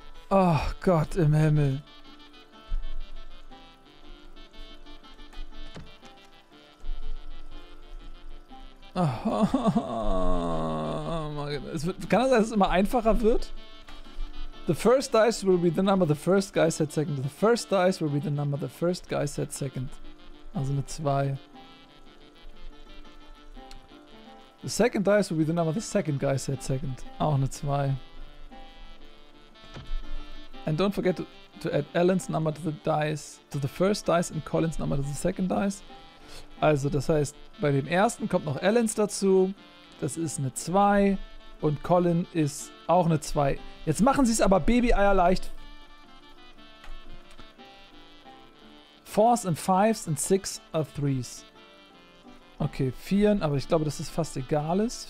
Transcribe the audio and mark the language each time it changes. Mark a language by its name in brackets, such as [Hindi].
[German] Oh Gott im Himmel. Oh, es wird, kann das sein, dass es immer einfacher wird? [English] The first dice will be the number the first guy said second. The first dice will be the number the first guy said second. [German] Also eine 2. [English] The second dice will be the number the second guy said second. [German] Auch eine 2. [English] And don't forget to add Alan's number to the dice, to the first dice and Colin's number to the second dice. [German] Also das heißt, bei dem ersten kommt noch Alan's dazu. Das ist eine 2. Und Colin ist auch eine 2. Jetzt machen sie es aber Baby-Eier leicht. [English] Fours and fives and six are threes. [German] Okay, vieren, aber ich glaube, dass es fast egal ist.